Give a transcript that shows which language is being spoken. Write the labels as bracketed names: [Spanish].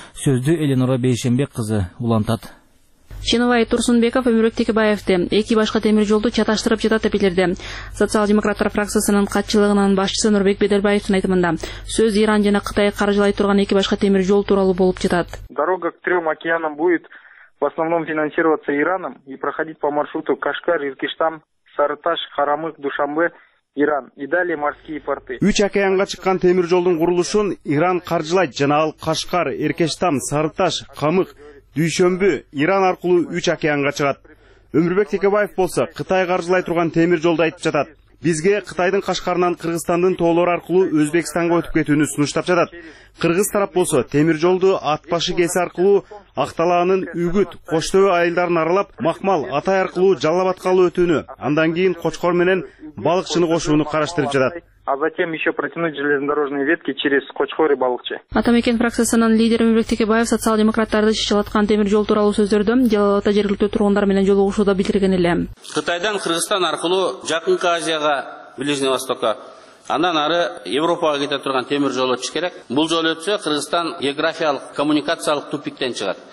[Kyrgyz] Сөздү Эленора Бейшенбек кызы улантат. Чыныбай Турсунбеков Өмүрбек Текебаевди эки башка темир жолду чаташтырып жатат деп билдирди. Социал демократтар фракциясынын катчылыгынын башчысы Нурбек Бедербаевдин айтымында сөз Иран жана Кытай каржылай турган эки башка темир жол тууралуу болуп жатат. [Russian] Дорога к трем океанам будет в основном финансироваться Ираном и проходить по маршруту Кашкар, Иркиштан, Сарыташ, Карамык, Душанбе. Иран и далее морские порты. [Kyrgyz] Үч океанга чыккан темир жолдун курулушун Иран каржылайт жана ал Кашкар, Иркиштан, Сарыташ, Камык, Дүйшөмбү, Иран аркылуу үч океанга чыгат. Өмүрбек Текебаев болсо Кытай каржылай турган темир жолду айтып жатат. Бизге Кытайдын Кашкарынан Кыргызстандын тоолору аркылуу Өзбекстанга өтүп кетүүнү сунуштап жатат. Кыргыз тарап болсо темир жолду Атбашы кеси аркылуу Акталанын Үгүт, Коштөбө айылдарын аралап, Макмал, Атай аркылуу Жалал Абадка өтүүнү, андан кийин Кочкор менен Балыкчыны кошууну караштырып жатат. [Russian] А затем еще протянуть железнодорожные ветки через Кочкор и Балыкчы. [Kyrgyz] Атамекен фракциясынын лидери Өмүрбек Текебаев социал-демократтарды чечилаткан темир жол тууралуу сөздөрдү Жалал Абадта жергиликтүү тургундар менен жолугушууда билдирген эле. Кытайдан Кыргызстан аркылуу жакынкы Азияга, Ближний Востокко, андан ары Европага кете турган темир жол өтүш керек. Бул жол өтсө Кыргызстан географиялык, коммуникациялык тупиктен чыгат.